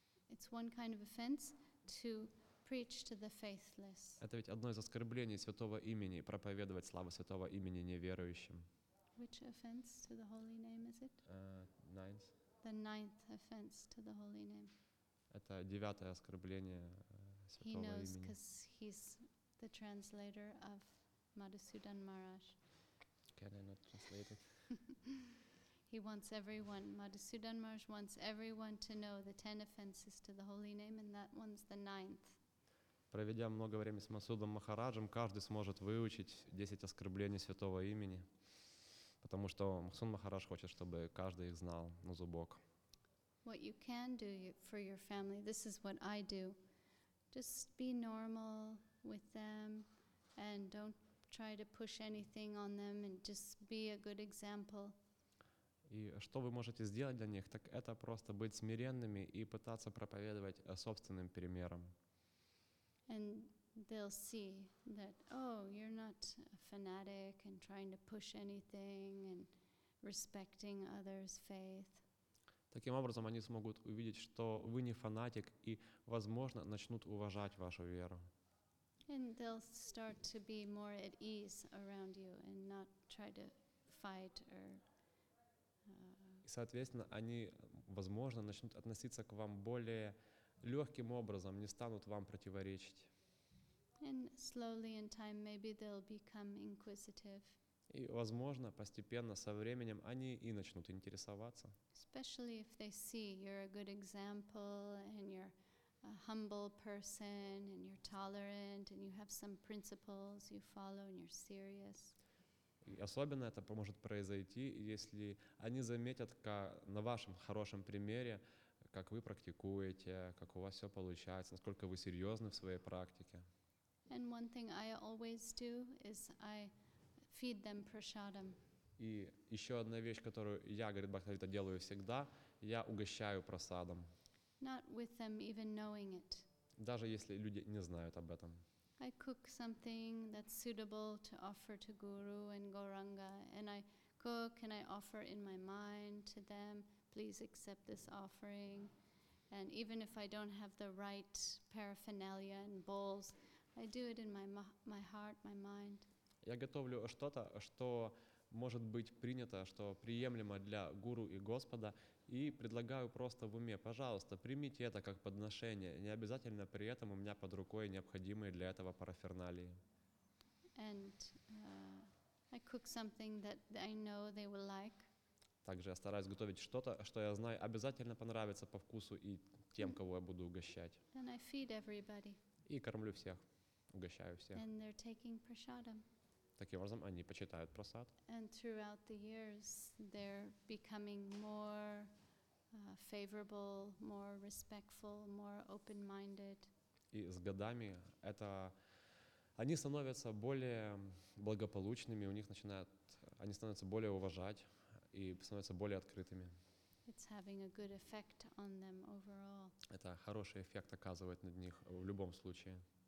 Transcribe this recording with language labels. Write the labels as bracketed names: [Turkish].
[English] It's one kind of offense to preach to the faithless. [Russian] Это ведь одно из оскорблений святого имени, проповедовать славу святого имени неверующим. [English] Which offense to the holy name is it? Ninth. The ninth offense to the holy name. [Russian] Это девятое оскорбление святого имени. [English] He knows because he's the translator of Madhusudan Maharaj. Can I not translate it? He wants everyone. Madhusudan Maharaj wants everyone to know the ten offenses to the holy name, and that one's the ninth. [Russian] Проведя много времени с Масудом Махараджем, каждый сможет выучить 10 оскорблений святого имени. Потому что Махсун Махарадж хочет, чтобы каждый их знал на зубок. [English] What you can do for your family, this is what I do. Just be normal with them and don't try to push anything on them and just be a good example. [Russian] И что вы можете сделать для них, так это просто быть смиренными и пытаться проповедовать собственным примером. [English] And they'll see that, oh, you're not a fanatic and trying to push anything and respecting others' faith. [Russian] Таким образом, они смогут увидеть, что вы не фанатик и, возможно, начнут уважать вашу веру. [English] And they'll start to be more at ease around you and not try to fight or... [Russian] И, соответственно, они, возможно, начнут относиться к вам более легким образом, не станут вам противоречить. [English] And slowly in time maybe they'll become inquisitive. [Russian] И возможно, постепенно со временем они и начнут интересоваться. [English] Especially if they see you're a good example and you're a humble person and you're tolerant and you have some principles you follow and you're serious. [Russian] И особенно это поможет произойти, если они заметят, как на вашем хорошем примере, как вы практикуете, как у вас все получается, насколько вы серьезны в своей практике. [English] And one thing I always do is I feed them prasadam. [Russian] И еще одна вещь, которую я, говорит Бхактивинода, делаю всегда, я угощаю прасадом. [English] Not with them even knowing it. [Russian] Даже если люди не знают об этом. [English] I cook something that's suitable to offer to Guru and Gauranga, and I cook and I offer in my mind to them, please accept this offering. And even if I don't have the right paraphernalia and bowls, I do it in my heart, my mind. [Russian] Я готовлю что-то, что может быть принято, что приемлемо для гуру и Господа, и предлагаю просто в уме, пожалуйста, примите это как подношение. Не обязательно при этом у меня под рукой необходимые для этого параферналии. [English] And I cook something that I know they will like. [Russian] Также я стараюсь готовить что-то, что я знаю, обязательно понравится по вкусу и тем, кого я буду угощать. [English] And I feed everybody. [Russian] И кормлю всех. Угощаю всех. [English] And they're taking prasadam. [Russian] Таким образом, они почитают прасад. [English] And throughout the years, they're becoming more favorable, more respectful, more open-minded. [Russian] И с годами это они становятся более благополучными, у них начинают они становятся более уважать и становятся более открытыми. [English] It's having a good effect on them overall. [Russian] Это хороший эффект оказывает на них в любом случае.